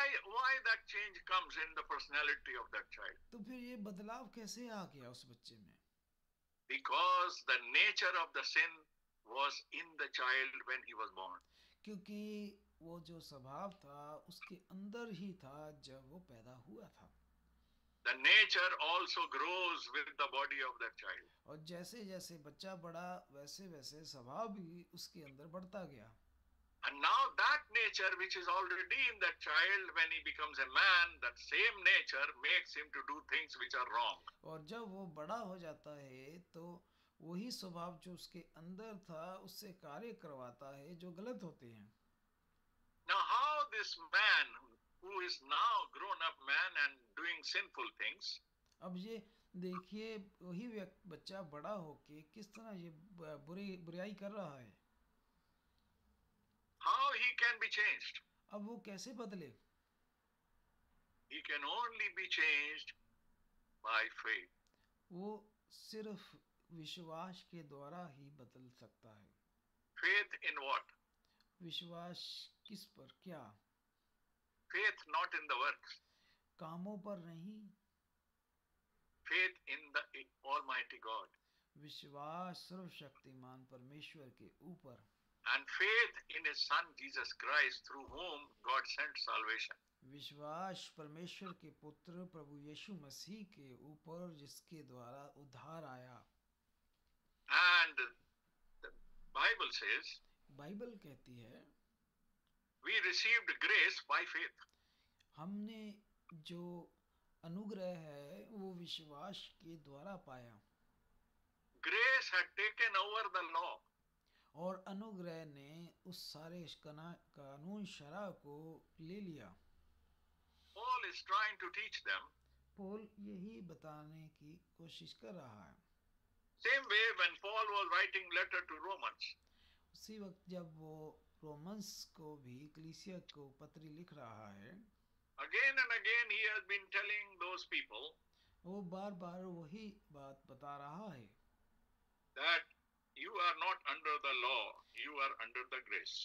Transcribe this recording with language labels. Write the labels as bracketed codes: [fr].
[en] Why that change comes in the personality of that child? [hi] तो फिर ये बदलाव कैसे आ गया उस बच्चे में? [en] Because the nature of the sin was in the child when he was born. [hi] क्योंकि वो जो स्वभाव था उसके अंदर ही था जब वो पैदा हुआ था. [en] The nature also grows with the body of that child. [hi] और जैसे जैसे बच्चा बड़ा वैसे वैसे स्वभाव भी उसके अंदर बढ़ता गया. [en] And now that nature which is already in that child when he becomes a man, that same nature makes him to do things which are wrong. [hi] और जब वो बड़ा हो जाता है तो वही स्वभाव जो उसके अंदर था उससे कार्य करवाता है जो गलत होते हैं. [en] Now how this man who is now grown up man and doing sinful things. [hi] अब ये देखिए वही बच्चा बड़ा होके किस तरह ये बुराई कर रहा है. [en] How he can be changed? [hi] अब वो कैसे बदले? [en] He can only be changed by faith. [hi] वो सिर्फ विश्वास के द्वारा ही बदल सकता है. [en] Faith in what? [hi] विश्वास किस पर, क्या? [en] Faith not in the works. [hi] कामों पर नहीं. [en] Faith in the Almighty God. [hi] विश्वास सर्वशक्तिमान परमेश्वर के ऊपर. [en] And faith in His Son Jesus Christ, through whom God sent salvation. [hi] विश्वास परमेश्वर के पुत्र प्रभु यीशु मसीह के ऊपर जिसके द्वारा उद्धार आया. [en] And the Bible says. [hi] Bible कहती है. [en] We received grace by faith. [hi] हमने जो अनुग्रह है वो विश्वास के द्वारा पाया. [en] Grace had taken over the law. [hi] और अनुग्रह ने उस सारे कानून शरा को ले लिया. [en] Paul is trying to teach them. [hi] Paul यही बताने की कोशिश कर रहा है. [en] Same way when Paul was writing letter to Romans. [hi] उसी वक्त जब वो रोमन्स को भी कलीसिया को पत्री लिख रहा है [en] again and again he has been telling those people [hi] वो बार-बार वही बात बता रहा है [en] that you are not under the law you are under the grace